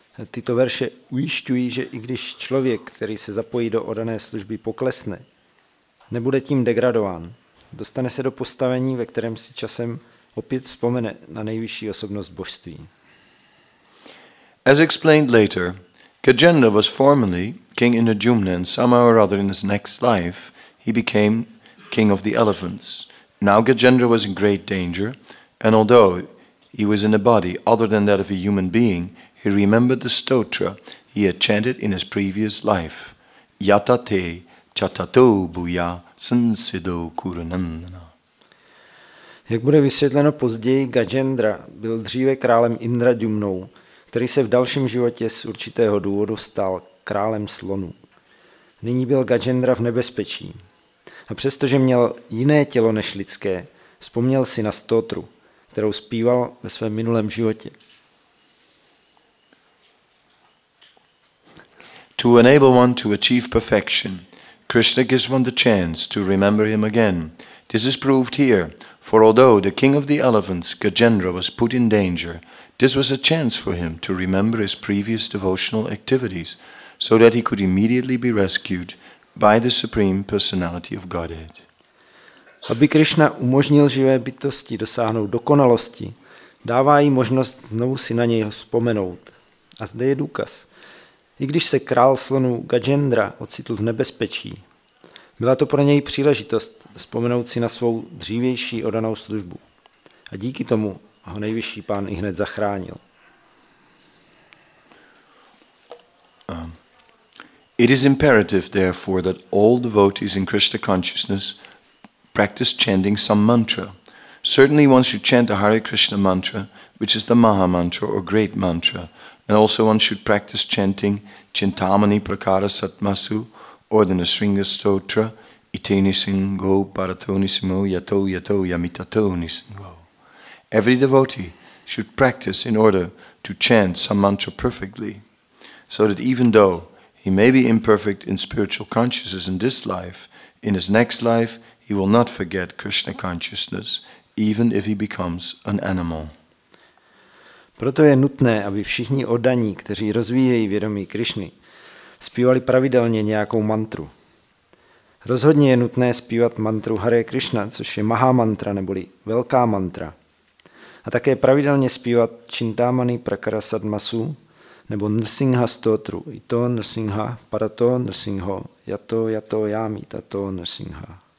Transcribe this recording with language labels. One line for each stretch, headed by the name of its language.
Czech: Tyto verše ujišťují, že i když člověk, který se zapojí do oddané služby, poklesne, nebude tím degradován. Dostane se do postavení, ve kterém si časem opět vzpomene na nejvyšší osobnost božství.
English: As explained later, Gajendra was formerly King Indrajumna, and somehow or other in his next life, he became King of the Elephants. Now Gajendra was in great danger, and although he was in a body other than that of a human being, he remembered the stotra he had chanted in his previous life.
Sanskrit: Yatate chatato buya sansido kurunandana.
Czech: Jak bude vysvětleno později, Gajendra byl dříve králem Indrajumnou, který se v dalším životě z určitého důvodu stal králem slonů. Nyní byl Gajendra v nebezpečí. A přestože měl jiné tělo než lidské, vzpomněl si na stotru, kterou zpíval ve svém minulém životě.
English: To enable one to achieve perfection, Krishna gives one the chance to remember him again. This is proved here, for although the king of the elephants, Gajendra, was put in danger, this was a chance for him to remember his previous devotional activities, so that he could immediately be rescued by the Supreme Personality of Godhead.
Czech: Aby Krishna umožnil živé bytosti dosáhnout dokonalosti, dává jí možnost znovu si na něj vzpomenout. A zde je důkaz. I když se král slonů Gajendra ocitl v nebezpečí, byla to pro něj příležitost vzpomenout si na svou dřívější oddanou službu. A díky tomu ho nejvyšší pán i hned zachránil.
English: It is imperative, therefore, that all devotees in Krishna consciousness practice chanting some mantra. Certainly one should chant the Hare Krishna mantra, which is the Maha mantra or great mantra, and also one should practice chanting Chintamani Prakara Satmasu or the Nasringa Stotra
Sanskrit: Itenisingo Paratonisimo Yato Yato Yamitatonisimo.
English: Every devotee should practice in order to chant some mantra perfectly, so that even though he may be imperfect in spiritual consciousness in this life, in his next life he will not forget Krishna consciousness, even if he becomes an animal.
Czech: Proto je nutné, aby všichni oddaní, kteří rozvíjejí vědomí Krišny, zpívali pravidelně nějakou mantru. Rozhodně je nutné zpívat mantru Hare Krishna, což je Maha mantra, neboli velká mantra. A také pravidelně zpívat Chintamani Prakara Sadmasu, nebo Nrsingha Stotru,
Sanskrit: i to Nrsingha, parato Nrsingho, yato yato yami, tato Nrsingha.